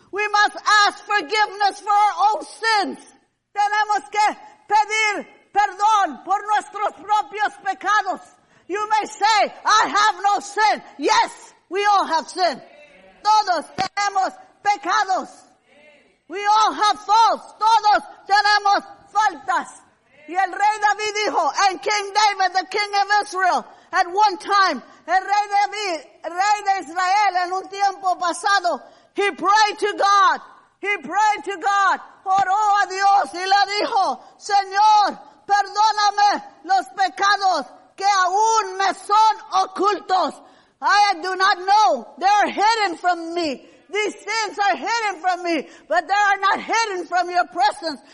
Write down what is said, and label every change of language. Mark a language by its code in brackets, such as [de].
[en] We must ask forgiveness for our own sins. [es] Tenemos que pedir perdón por nuestros propios pecados. [en] You may say, I have no sin. Yes, we all have sin. [es] Todos tenemos pecados. [en] We all have faults. [es] Todos tenemos faltas. Y el rey David dijo, [en] and King David, the king of Israel, at one time, [es] el rey David, rey de Israel, en un tiempo pasado, [en] he prayed to God. He prayed to God. [es] Oró a Dios y le dijo, Señor, perdóname los pecados que aún me son ocultos. [en] I do not know. They are hidden from me. These sins are hidden from me, but they are not hidden from your presence.